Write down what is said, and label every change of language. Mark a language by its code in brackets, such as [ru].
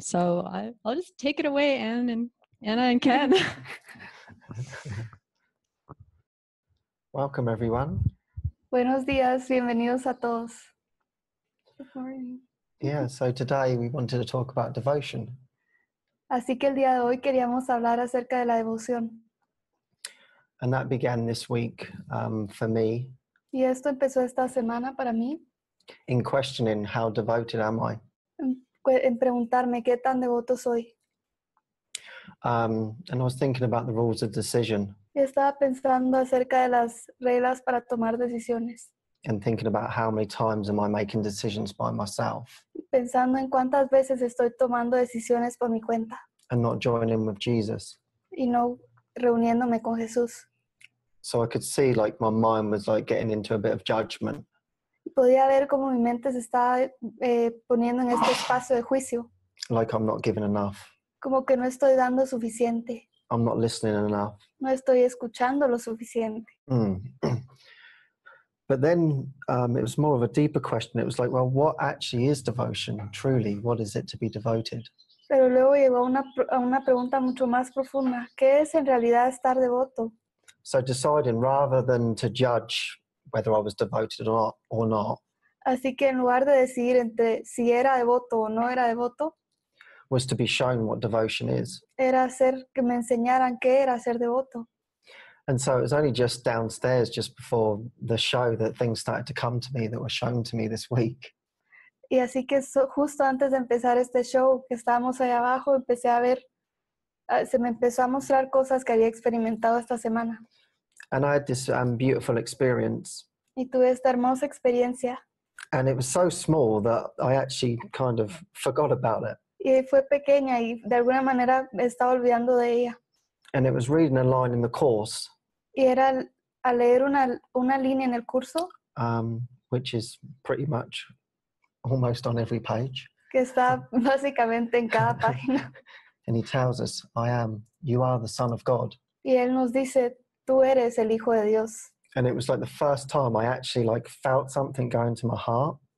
[en] So I'll just take it away, Anna and Ken. Welcome, everyone. [es] Buenos dias. Bienvenidos a todos. [en] Yeah, so today we wanted to talk about devotion. [es] Así que el día de hoy queríamos hablar acerca de la devoción. [en] And that began this week for me. [es] Y esto empezó esta semana para mí. [en] In questioning how devoted am I? [es] En preguntarme qué tan devoto soy. [en] And I was thinking about the rules of decision. [es] Y estaba pensando acerca de las reglas para tomar decisiones. [en] And thinking about how many times am I making decisions by myself. [es] Pensando en cuántas veces estoy tomando decisiones por mi cuenta. [en] And not joining with Jesus. [es] Y no reuniéndome con Jesús. [en] So I could see like my mind was like getting into a bit of judgment. [es] Podía ver como mi mente se estaba poniendo en este espacio de juicio. [en] Like I'm not giving enough. [es] Como que no estoy dando suficiente. [en] I'm not listening enough. [es] No estoy escuchando lo suficiente. [en] But then it was more of a deeper question. It was like, well, what actually is devotion? Truly, what is it to be devoted? [es] Pero luego llegó una pregunta mucho más profunda. ¿Qué es en realidad estar devoto? [en] So deciding rather than to judge whether I was devoted or not. [es] Así que en lugar de decidir entre si era devoto o no era devoto. [en] Was to be shown what devotion is. [es] Era hacer que me enseñaran qué era ser devoto. [en] And so it was only just downstairs, just before the show, that things started to come to me that were shown to me this week. [es] Y así que justo antes de empezar este show, que estábamos ahí abajo, empecé a ver, se me empezó a mostrar cosas que había experimentado esta semana. [en] And I had this beautiful experience. [es] Y tuve esta hermosa experiencia. [en] And it was so small that I actually kind of forgot about it. [es] Y fue pequeña y de alguna manera estaba olvidando de ella. [en] And it was reading a line in the course. [es] Y era a leer una línea en el curso. [en] Which is pretty much almost on every page. [es] Que está básicamente en cada página. [en] And he tells us, I am, you are the Son of God. [es] Y él nos dice, tú eres el Hijo de Dios. [en] And it was like the first time I actually like felt something going to my heart.